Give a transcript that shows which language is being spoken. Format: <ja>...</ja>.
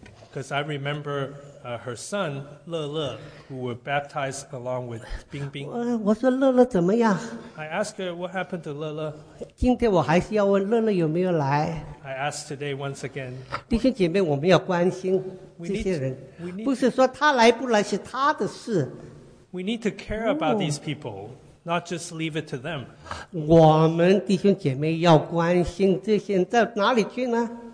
<en>Because I remember her son, Le Le, who were baptized along with Bing Bing.</en> <zh>我说乐乐怎么样?</zh> <en>I asked her, what happened to Le Le?</en> <zh>今天我还是要问乐乐有没有来?</zh> <en>I asked today once again.</en> <zh>弟兄姐妹,我们要关心这些人。不是说他来不来是他的事。</zh> <en>We need to care about these people, not just leave it to them.</en> <zh>我们弟兄姐妹要关心这些人在哪里去呢?</zh>